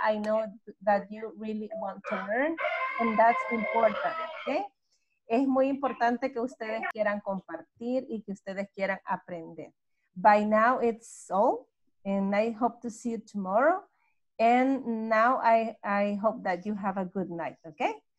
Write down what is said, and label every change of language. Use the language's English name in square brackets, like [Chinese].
[English] I know that you really want to learn. And that's important, okay? [Spanish] Es muy importante que ustedes quieran compartir y que ustedes quieran aprender. [English] By now, it's all. And I hope to see you tomorrow. And now, I hope that you have a good night, okay?